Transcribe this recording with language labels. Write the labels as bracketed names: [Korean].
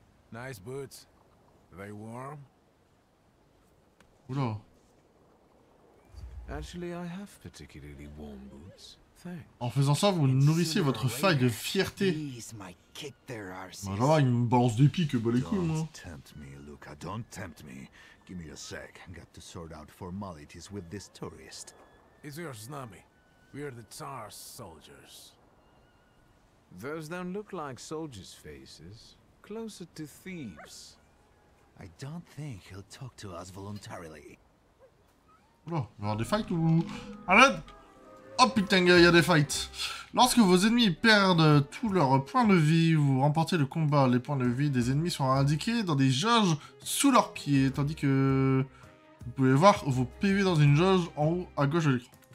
[English] Nice boots. Are they warm? Oula. Actually, I have particularly warm boots. [French] En faisant ça, vous nourrissez votre faille de fierté. Bah, là, il me balance des piques, bah les couilles, moi. [English] Don't tempt me, Luca, don't tempt me. Give me a sec, got to sort out formalities with this tourist. Is your Znami? We are the Tsar's soldiers. Those don't look like soldiers' faces. Closer to thieves. I don't think he'll talk to us voluntarily. [French] Oh, il va y avoir des fights ou. Arrête! Oh putain, il y a des fights. Lorsque vos ennemis perdent tous leurs points de vie, vous remportez le combat. Les points de vie des ennemis sont indiqués dans des jauges sous leurs pieds, tandis que vous pouvez voir vos PV dans une jauge en haut à gauche de l'écran.